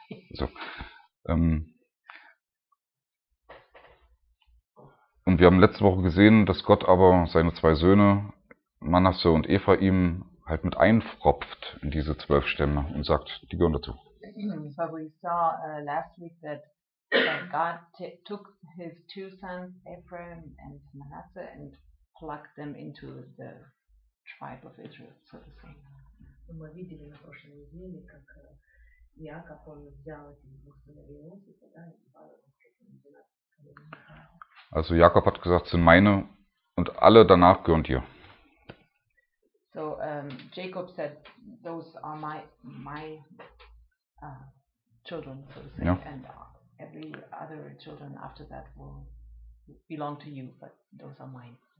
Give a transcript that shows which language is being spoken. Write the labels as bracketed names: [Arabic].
[German] So. Und wir haben letzte Woche gesehen, dass Gott aber seine zwei Söhne, Manasse und Ephraim, halt mit einfropft in diese 12 Stämme und sagt, die gehören dazu. [English] So we saw last week that God took his two sons, Ephraim and Manasse, and plucked them into the tribe of Israel, so to say. [Russian] Мы видели на прошлой неделе, как Иаков, он взял эти двух сыновей Иосифа, да, и [German] Also Jakob hat gesagt, sind meine und alle danach gehören dir. [English] So Jacob said, those are my children, so to say, and every other children after that will belong to you, but those are mine.